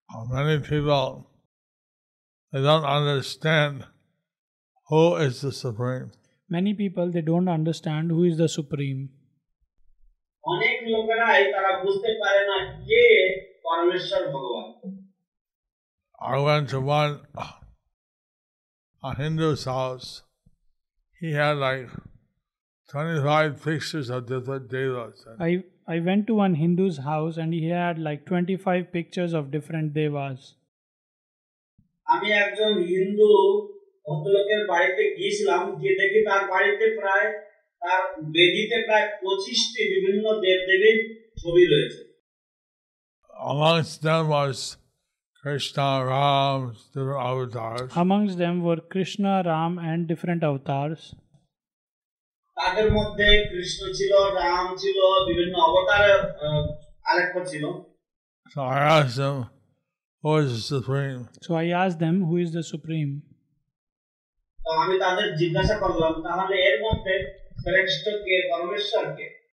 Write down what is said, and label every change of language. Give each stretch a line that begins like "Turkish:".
English: Many people, they don't understand who is the Supreme. Many people, they don't understand who is the Supreme.
Bangla: অনেক লোকেরাই তারা বুঝতে পারে না কে পরমেশ্বর ভগবান।
English: I went to a Hindu's house. He had like 25 pictures of different devas. I went to one Hindu's house and he had like 25 pictures of different devas.
Bangla: আমি একজন হিন্দু ভদ্রলোকের বাড়িতে গিয়েছিলাম, গিয়ে দেখি তার বাড়িতে প্রায় তার বেদিতে প্রায় 25টি বিভিন্ন দেবদেবীর ছবি রয়েছে।
English: Amongst them was Krishna, Ram, different avatars. Amongst them were Krishna, Ram, and different avatars.
Bangla: তাদের মধ্যে কৃষ্ণ ছিল, রাম ছিল, বিভিন্ন অবতারের আলেখ ছিল।
English: So I asked them, who is the supreme? So I asked them, who is the supreme?
Bangla: তো আমি তাদের জিজ্ঞাসা করলাম, তাহলে এর মধ্যে শ্রেষ্ঠ কে, পরমেশ্বর কে?